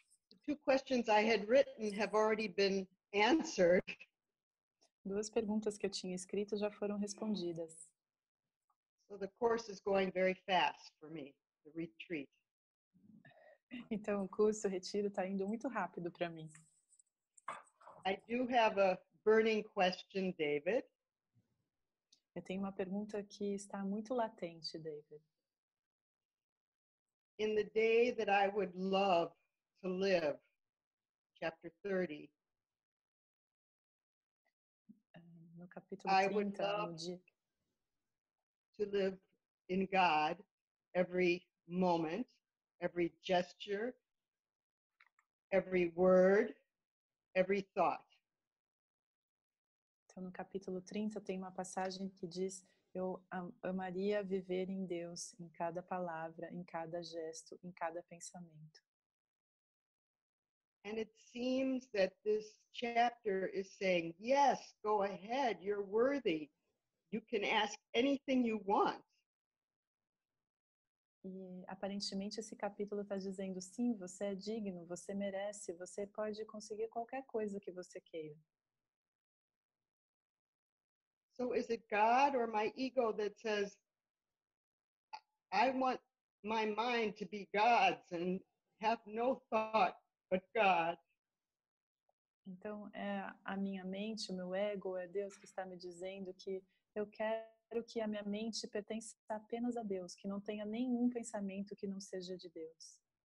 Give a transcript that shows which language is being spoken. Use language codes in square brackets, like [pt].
[en] The two questions I had written have already been answered. [pt] Duas perguntas que eu tinha escrito já foram respondidas. [en] So the course is going very fast for me, the retreat. [pt] Então, o curso, o retiro, tá indo muito rápido para mim. [en] I do have a burning question, David. [pt] Eu tenho uma pergunta que está muito latente, David. [en] In the day that I would love to live, chapter 30. [pt] No capítulo 30, [en] to live in God every moment, every gesture, every word, every thought. [pt] Então, no capítulo 30, tem uma passagem que diz: eu amaria viver em Deus, em cada palavra, em cada gesto, em cada pensamento. [en] And it seems that this chapter is saying, yes, go ahead, you're worthy. You can ask anything you want. [pt] E aparentemente esse capítulo está dizendo sim, você é digno, você merece, você pode conseguir qualquer coisa que você queira. [en] So is it God or my ego that says I want my mind to be God's and have no thought but God? [pt] Então é a minha mente, o meu ego, é Deus que está me dizendo que eu quero que a minha mente pertença apenas a Deus, que não tenha nenhum pensamento que não seja de Deus.